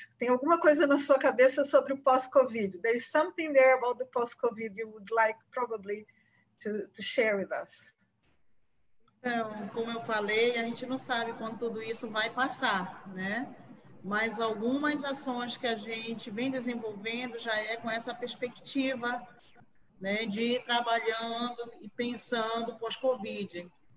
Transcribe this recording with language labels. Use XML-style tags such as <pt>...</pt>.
<pt>Tem alguma coisa na sua cabeça sobre o pós-COVID?</pt> <en>There is something there about the pós-COVID you would like probably to share with us.</en> <pt>Então, como eu falei, a gente não sabe quando tudo isso vai passar, né? Mas algumas ações que a gente vem desenvolvendo já é com essa perspectiva, né, de ir trabalhando e pensando pós-COVID.</pt>